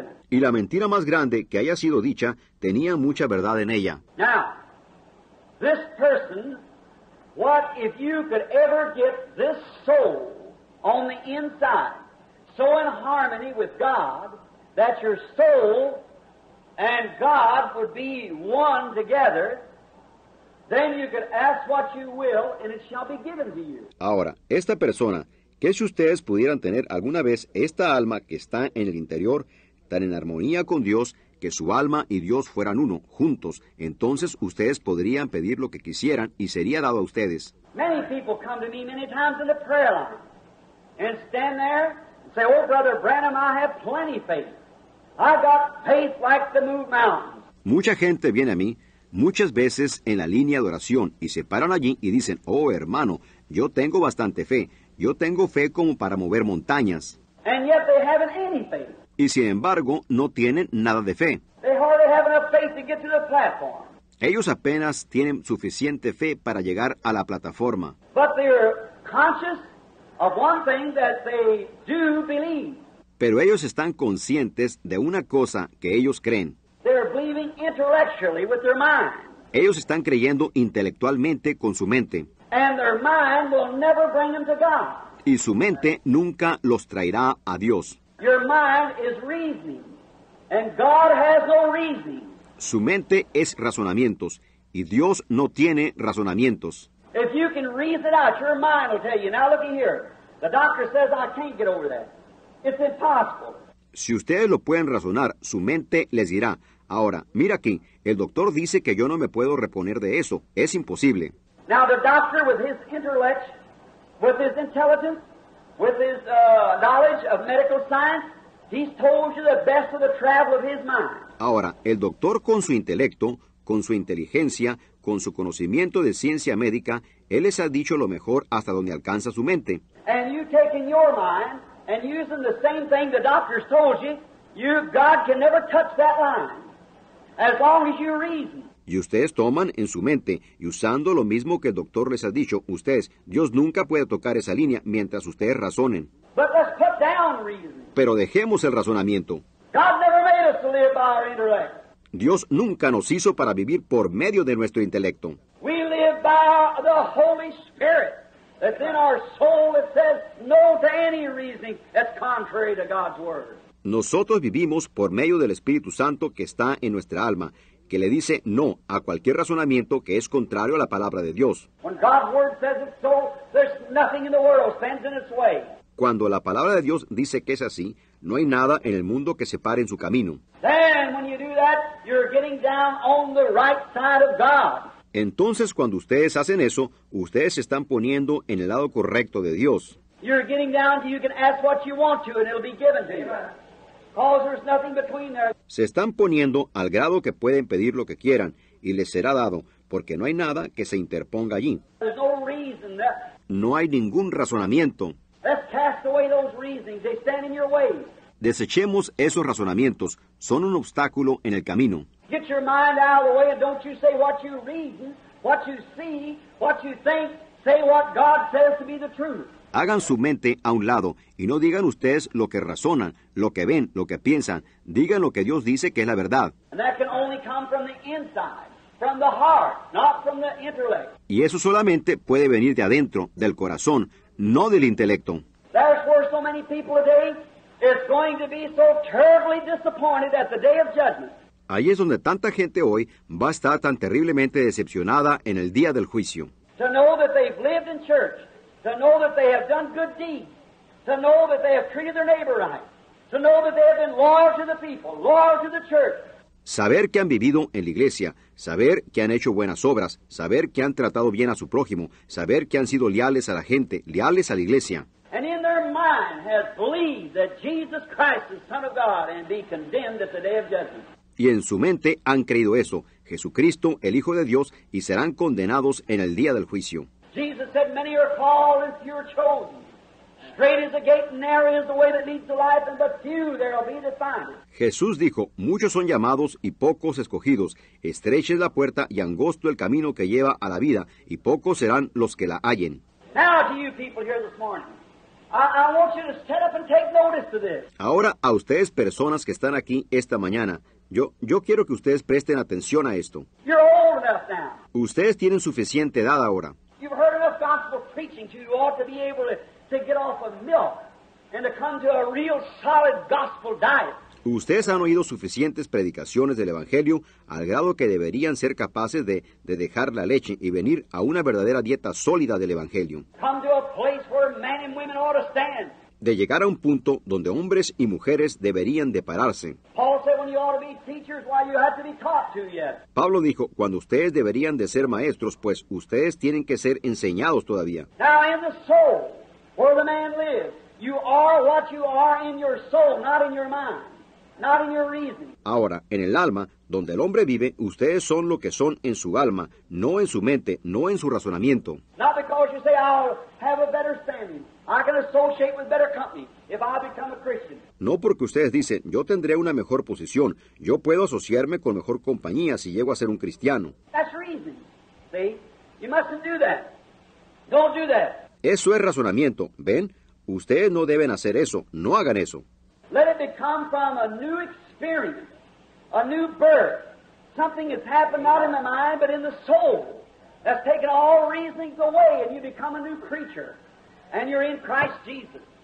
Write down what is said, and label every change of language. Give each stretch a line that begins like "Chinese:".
Spanish: Y la mentira más grande que haya sido dicha tenía mucha verdad en ella.
English: Now, this person, what if you could ever get this soul on the inside so in harmony with God that your soul and God would be one together? Then you could ask what you will, and it shall be given to you.
Spanish: Ahora, esta persona, ¿qué si ustedes pudieran tener alguna vez esta alma que está en el interior, tan en armonía con Dios, que su alma y Dios fueran uno, juntos? Entonces ustedes podrían pedir lo que quisieran, y sería dado a ustedes.
English: Many people come to me many times in the prayer line, and stand there and say, oh, Brother Branham, I have plenty of faith. I've got faith like to move mountains.
Spanish: Mucha gente viene a mí, muchas veces en la línea de oración y se paran allí y dicen, oh hermano, yo tengo bastante fe, yo tengo fe como para mover montañas.
English: And yet they haven't any faith.
Spanish: Y sin embargo, no tienen nada de fe.
English: They hardly have enough faith to get to the platform.
Spanish: Ellos apenas tienen suficiente fe para llegar a la plataforma.
English: But they are conscious of one thing that they do believe.
Spanish: Pero ellos están conscientes de una cosa que ellos creen.
English: They're believing intellectually with their mind.
Spanish: Ellos están creyendo intelectualmente con su mente.
English: And their mind will never bring them to God.
Spanish: Y su mente nunca los traerá a Dios.
English: Your mind is reasoning, and God has no reasoning.
Spanish: Su mente es razonamientos, y Dios no tiene razonamientos.
English: If you can reason out, your mind will tell you. Now look here. The doctor says I can't get over that. It's impossible.
Spanish: Si ustedes lo pueden razonar, su mente les dirá, ahora, mira aquí, el doctor dice que yo no me puedo reponer de eso. Es imposible.
English: Now the doctor with his intellect, with his intelligence, with his knowledge of medical science, he's told you the best of the travel of his mind.
Spanish: Ahora, el doctor con su intelecto, con su inteligencia, con su conocimiento de ciencia médica, él les ha dicho lo mejor hasta donde alcanza su mente.
English: And you take in your mind and using the same thing the doctor's told you, God can never touch that line as long as you reason.
Spanish: Y ustedes toman en su mente, y usando lo mismo que el doctor les ha dicho, ustedes, Dios nunca puede tocar esa línea mientras ustedes razonen.
English: But let's put down reason.
Spanish: Pero dejemos el razonamiento.
English: God never made us to live by our intellect.
Spanish: Dios nunca nos hizo para vivir por medio de nuestro intelecto.
English: We live by the Holy Spirit that's in our soul that says no to any reasoning that's contrary to God's word.
Spanish: Nosotros vivimos por medio del Espíritu Santo que está en nuestra alma, que le dice no a cualquier razonamiento que es contrario a la palabra de Dios.
English: When God's word says it's so, there's nothing in the world stands in its way.
Spanish: Cuando la palabra de Dios dice que es así, no hay nada en el mundo que se pare en su camino.
English: Then when you do that, you're getting down on the right side of God.
Spanish: Entonces, cuando ustedes hacen eso, ustedes se están poniendo en el lado correcto de Dios.
English: You're getting down to you can ask what you want to and it'll be given to you. Because there's nothing between there.
Spanish: Se están poniendo al grado que pueden pedir lo que quieran y les será dado, porque no hay nada que se interponga allí.
English: There's no reason that...
Spanish: No hay ningún razonamiento.
English: Let's cast away those reasonings. They stand in your way.
Spanish: Desechemos esos razonamientos. Son un obstáculo en el camino.
English: Get your mind out of the way and don't you say what you reason, what you see, what you think. Say what God says to be the truth.
Spanish: Hagan su mente a un lado y no digan ustedes lo que razonan, lo que ven, lo que piensan. Digan lo que Dios dice que es la verdad.
English: And that can only come from the inside, from the heart, not from the intellect.
Spanish: Y eso solamente puede venir de adentro, del corazón, no del intelecto.
English: That's where so many people today is going to be so terribly disappointed at the day of judgment.
Spanish: Ahí es donde tanta gente hoy va a estar tan terriblemente decepcionada en el día del juicio.
English: To know that they've lived in church. To know that they have done good deeds. To know that they have treated their neighbor right. To know that they have been loyal to the people, loyal to the church.
Spanish: Saber que han vivido en la iglesia. Saber que han hecho buenas obras. Saber que han tratado bien a su prójimo. Saber que han sido leales a la gente, leales a la iglesia.
English: And in their mind has believed that Jesus Christ is Son of God and be condemned at the day of judgment.
Spanish: Y en su mente han creído eso, Jesucristo, el Hijo de Dios, y serán condenados en el día del juicio.
English: Jesus said, many are called and few are chosen. Straight is the gate and narrow is the way that leads to life, and but few there will be that find it.
Spanish: Jesús dijo, muchos son llamados y pocos escogidos. Estrecha es la puerta y angosto el camino que lleva a la vida, y pocos serán los que la hallen.
English: Now to you people here this morning. I want you to stand up and take notice of this.
Spanish: Ahora a ustedes personas que están aquí esta mañana, yo quiero que ustedes presten atención a esto.
English: You're old enough now.
Spanish: Ustedes tienen suficiente edad ahora.
English: You've heard enough gospel preaching to you ought to be able to get off of milk and to come to a real solid gospel diet.
Spanish: Ustedes han oído suficientes predicaciones del Evangelio al grado que deberían ser capaces de dejar la leche y venir a una verdadera dieta sólida del Evangelio.
English: Come to a place where men and women ought to stand.
Spanish: De llegar a un punto donde hombres y mujeres deberían de pararse.
English: Paul said when you ought to be teachers, why you have to be taught to yet.
Spanish: Pablo dijo, cuando ustedes deberían de ser maestros, pues ustedes tienen que ser enseñados todavía.
English: Now in the soul, where the man lives, you are what you are in your soul, not in your mind. not in your reason.
Spanish: Ahora, en el alma, donde el hombre vive, ustedes son lo que son en su alma, no en su mente, no en su razonamiento.
English: Not because you say, I'll have a better standing. I can associate with better company if I become a Christian.
Spanish: No porque ustedes dicen, yo tendré una mejor posición, yo puedo asociarme con mejor compañía si llego a ser un cristiano.
English: That's reason. See? You mustn't do that. Don't do that.
Spanish: Eso es razonamiento. ¿Ven? Ustedes no deben hacer eso. No hagan eso.
English: Let it become from a new experience, a new birth. Something has happened not in the mind, but in the soul. That's taken all reasonings away, and you become a new creature. And you're in Christ Jesus.